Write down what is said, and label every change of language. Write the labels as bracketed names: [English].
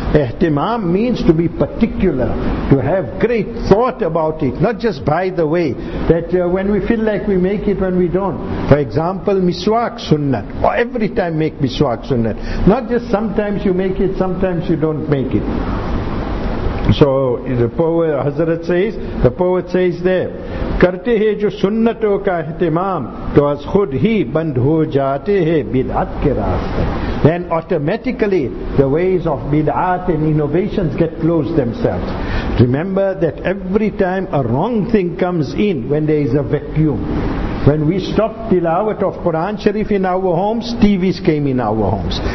[English] Ihtimam means to be particular, to have great thought about it, not just by the way, that when we feel like we make it, when we don't. For example, miswak sunnah, or every time make miswak sunnah, not just sometimes you make it, sometimes you don't make it. So the poet Hazrat says, the poet says there, [Urdu] کرتے ہیں جو سنتوں کا اہتمام تو از خود ہی بند ہو جاتے ہیں بدعت کے راستے. [English] Then automatically the ways of bid'at and innovations get closed themselves. Remember that every time a wrong thing comes in, when there is a vacuum, when we stop tilawat of Quran Sharif in our homes, TVs came in our homes.